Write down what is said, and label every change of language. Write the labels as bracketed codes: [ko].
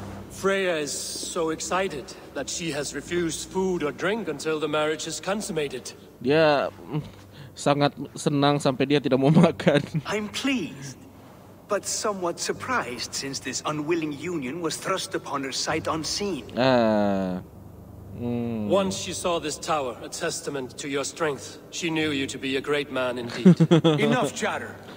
[en] Freya is so excited that she has refused food or drink until the marriage is consummated. [id] Dia sangat senang sampai dia tidak mau makan. [en] I'm pleased, but somewhat surprised since this unwilling union was thrust upon her sight unseen. Once she saw this tower, a testament to your strength, she knew you to be a great man indeed. Enough chatter.